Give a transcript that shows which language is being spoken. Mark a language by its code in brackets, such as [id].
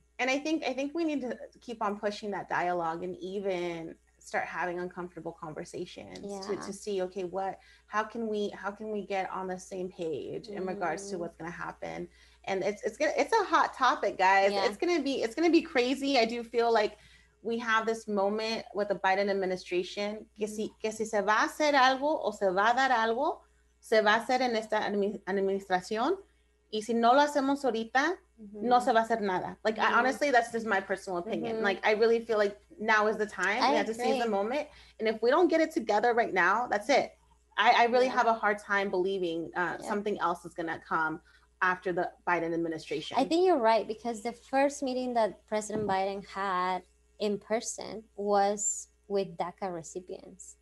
[en] And I think we need to keep on pushing that dialogue, and even start having uncomfortable conversations yeah. to see, okay, how can we get on the same page in regards to what's going to happen. And it's a hot topic, guys. Yeah. It's going to be crazy. I do feel like we have this moment with the Biden administration. [es] Que si se va a hacer algo o se va a dar algo, se va a hacer en esta administración. Y si no lo hacemos ahorita, mm-hmm. no se va a hacer nada. [en] Like, mm-hmm. honestly, that's just my personal opinion. Mm-hmm. Like, I really feel like now is the time. I we have agree. To seize the moment. And if we don't get it together right now, that's it. I really yeah. have a hard time believing something else is going to come after the Biden administration. I think you're right, because the first meeting that President Biden had in person was with DACA recipients.